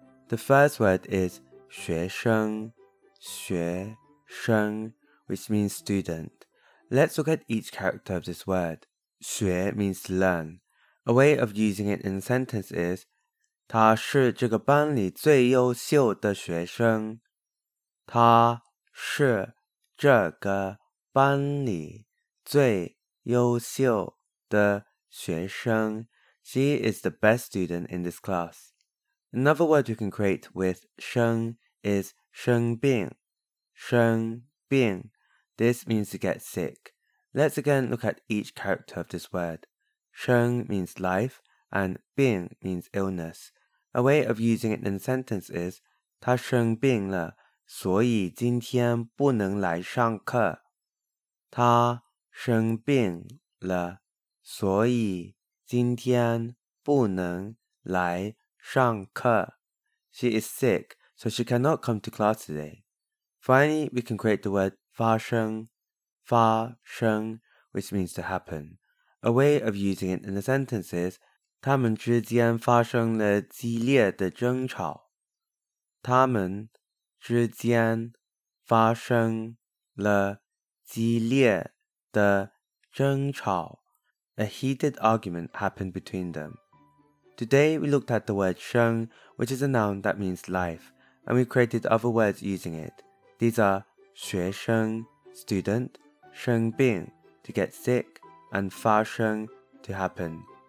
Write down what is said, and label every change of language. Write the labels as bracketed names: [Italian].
[English] The first word is 学生, 学生, which means student. Let's look at each character of this word. 学 means to learn. A way of using it in a sentence is [Chinese] 他是这个班里最优秀的学生。他是这个班里最优秀的学生。 [English] She is the best student in this class. Another word you can create with 生 is 生病。生病。This means to get sick. Let's again look at each character of this word. 生 means life and 病 means illness. A way of using it in a sentence is [Chinese] 他生病了。所以今天不能来上课。他生病了，所以今天不能来上课。 [English] She is sick, so she cannot come to class today. Finally, we can create the word 发生, 发生, which means to happen. A way of using it in a sentence is [Chinese] 他们之间发生了激烈的争吵。他们之间发生了激烈的争吵。 [English] A heated argument happened between them. Today we looked at the word 生, which is a noun that means life, and we created other words using it. These are 学生, student, 生病, to get sick, and 发生, to happen.